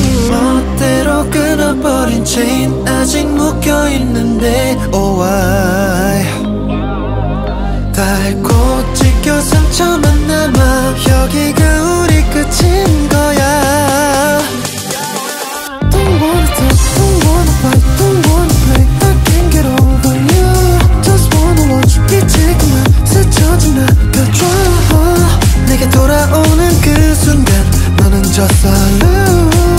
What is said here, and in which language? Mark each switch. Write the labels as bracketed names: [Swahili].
[Korean] 멋대로 끊어버린 체인 아직 묶여있는데 [English] oh why. [Korean] 달고 찢겨 상처만 남아 여기가 우리 끝인 거야. [English] Don't wanna talk, don't wanna fight, don't wanna play, I can't get over you. Just wanna watch [Korean] 이 지금만 스쳐 지나가 drama. 내게 돌아오는 그 순간 너는 졌어 lose.